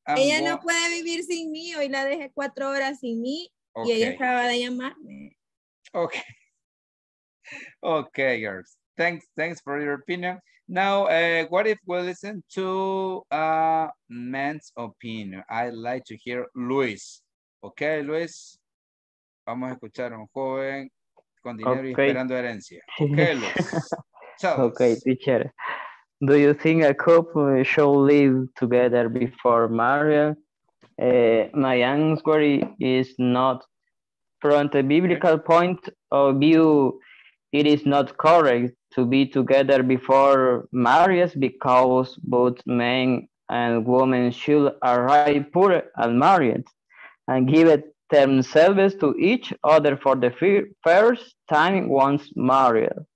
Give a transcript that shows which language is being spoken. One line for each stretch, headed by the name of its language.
Spanish: Ella no puede vivir sin mí. Hoy la dejé 4 horas sin mí.
English: Okay.
Spanish: Y ella acaba de llamarme.
English: Okay. Okay, girls. Thanks. Thanks for your opinion. Now, what if we listen to a man's opinion? I'd like to hear Luis. Okay, Luis.
Spanish: Vamos a escuchar a un joven con dinero okay. y esperando herencia. Okay, Luis.
English: Okay, teacher. Do you think a couple should live together before marriage? My answer is not. From the biblical point of view, it is not correct to be together before marriage because both men and women should arrive pure and married and give themselves to each other for the first time once married.